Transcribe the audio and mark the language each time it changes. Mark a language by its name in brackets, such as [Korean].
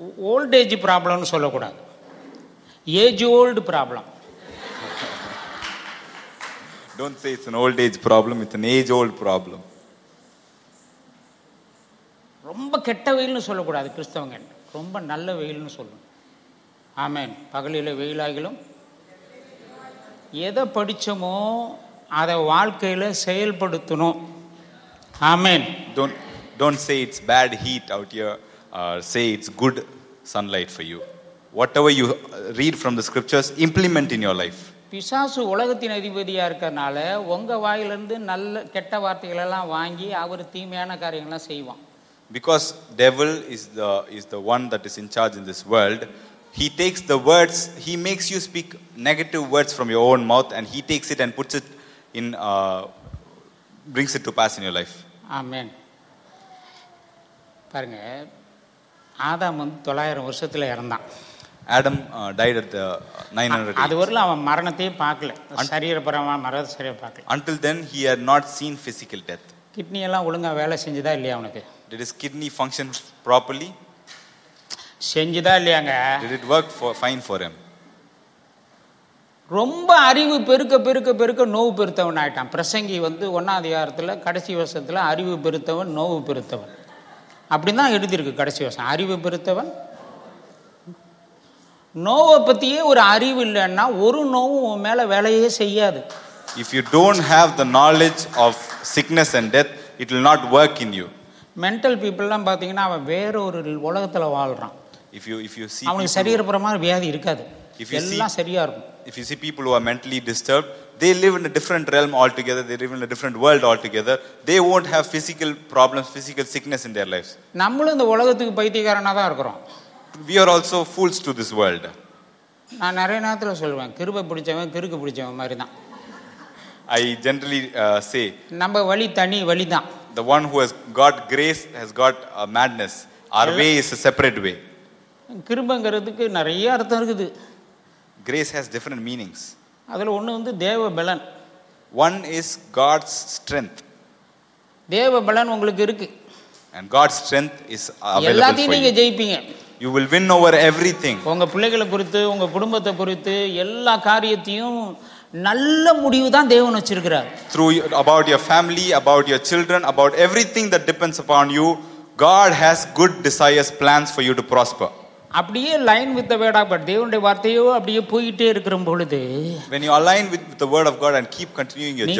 [English] old age ப்ராப்ளம்னு [Tamil] சொல்லக்கூடாது, [English] Age old problem. Don't say it's an old age problem, it's an age old problem. [Tamil] ரொம்ப கெட்ட வெயில்னு சொல்லக்கூடாது கிறிஸ்தவங்க, ரொம்ப நல்ல வெயில்னு சொல்லணும். ஆமென். பகலில் வெயிலாகிலும் எதை படித்தோமோ அதை வாழ்க்கையில் செயல்படுத்தணும். ஆமென். [English] Don't say it's bad heat out here. Say it's good sunlight for you. Whatever you read from the scriptures, implement in your life. [Tamil] பிசாசு உலகத்தின் அதிபதியா இருக்கறனால உங்க வாயில இருந்து நல்ல கெட்ட வார்த்தைகள் எல்லாம் வாங்கி அவர் தீமையான காரியங்கள் எல்லாம் செய்வான். [English] Because devil is the one that is in charge in this world, he takes the words, he makes you speak negative words from your own mouth, and he takes it and puts it in brings it to pass in your life. Amen. [Tamil] பாருங்க, ஆதாம் வந்து 900 வருஷத்துல இறந்தான். [English] Adam died at 900. [Tamil] அதுவரையிலும் அவன் மரணத்தையே பார்க்கல, சரீரபரமான மரண சரீர பார்க்கல. [English] Until then he had not seen physical death. [Tamil] Kidney எல்லாம் ஒழுங்கா வேலை செஞ்சதா இல்லையா அவனுக்கு? [English] Did his kidney function properly? [Tamil] செஞ்சதா இல்லையாங்க? [English] Did it work for fine for him? [Tamil] ரொம்ப அறிவு பெருக்க பெருக்க பெருக்க நோவு பெருத்தவன் ஆயிட்டான். பிரசங்கி வந்து 1 அதிகாரத்துல கடைசி வசனத்துல அறிவு பெருத்தவன் நோவு பெருத்தவன் அப்படின்னு தான் எழுதியிருக்கு. கடைசி வருஷம் அறிவு பெருத்தவன். நோவை பற்றியே ஒரு அறிவு இல்லைன்னா ஒரு நோவும் உன் மேலே வேலையே செய்யாது. [English] If you don't have the knowledge of sickness and death, it will not work in you. [Tamil] Mental பீப்புளெலாம் பார்த்தீங்கன்னா அவன் வேற ஒரு உலகத்தில் வாழ்கிறான். [English] If you see [Tamil] அவனுக்கு சரீரப்பரமாக வியாதி இருக்காது, எல்லாம் சரியாக இருக்கும். [English] If you see people who are mentally disturbed, they live in a different realm altogether, they live in a different world altogether, they won't have physical problems, physical sickness in their lives. [Tamil] நம்மளும் இந்த உலகத்துக்கு பைத்தியக்காரனா தான் இருக்கோம். [English] We are also fools to this world. [Tamil] நான் நிறைய நேரத்துல சொல்றேன், கிருபை பிடிச்சவன் கிறுக்கு பிடிச்சவன் மாதிரி தான். [English] I generally say [Tamil] நம்ம வழி தனி வழி தான். [English] The one who has got grace has got a madness. Our way is a separate way. [Tamil] கிருபைங்கிறதுக்கு நிறைய அர்த்தம் இருக்குது. [English] Grace has different meanings. [Tamil] அதில் ஒன்று வந்து தேவ பலன். [English] One is God's strength. [Tamil] தேவ பலன் உங்களுக்கு இருக்கு. [English] And God's strength is available for you. [Tamil] எல்லாத்தையும் நீங்கள் ஜெயிப்பீங்க. [English] You will win over everything. [Tamil] உங்க பிள்ளைகளை குறித்து, உங்க குடும்பத்தை குறித்து, எல்லா காரியத்தையும் நல்ல முடிவு தான் தேவன் வச்சிருக்கிறார். [English] Through you, about your family, about your children, about everything that depends upon you, God has good desires, plans for you to prosper. [Tamil] அப்படியே [English] line with the word of God, [Tamil] தேவனுடைய வார்த்தையோ அப்படியே போயிட்டே இருக்கிற பொழுது, [English] when you align with the word of God and keep continuing your journey,